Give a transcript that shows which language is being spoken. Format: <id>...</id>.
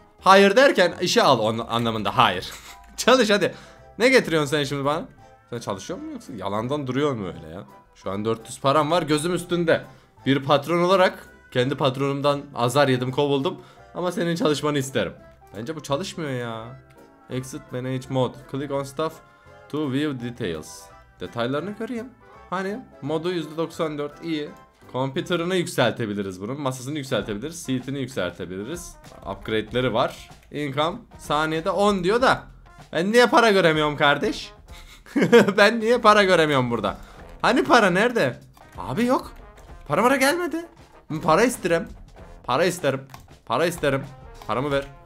<tr>Hayır derken işe al anlamında hayır. Çalış hadi. Ne getiriyorsun sen şimdi bana? Sen çalışıyor musun yoksa yalandan duruyor mu öyle ya? Şu an 400 param var gözüm üstünde. Bir patron olarak kendi patronumdan azar yedim, kovuldum. Ama senin çalışmanı isterim. Bence bu çalışmıyor ya.</tr> <en>Exit manage mode. Click on stuff to view details.</en> <tr>Detaylarını göreyim. Hani modu %94 iyi. Computer'ını yükseltebiliriz bunun. Masasını yükseltebiliriz. Seat'ini yükseltebiliriz. Upgrade'leri var. Income saniyede 10 diyor da. Ben niye para göremiyorum kardeş? Ben niye para göremiyorum burada? Hani para nerede? Abi yok. Para mara gelmedi. Para isterim. Para isterim. Para isterim. Paramı ver.</tr>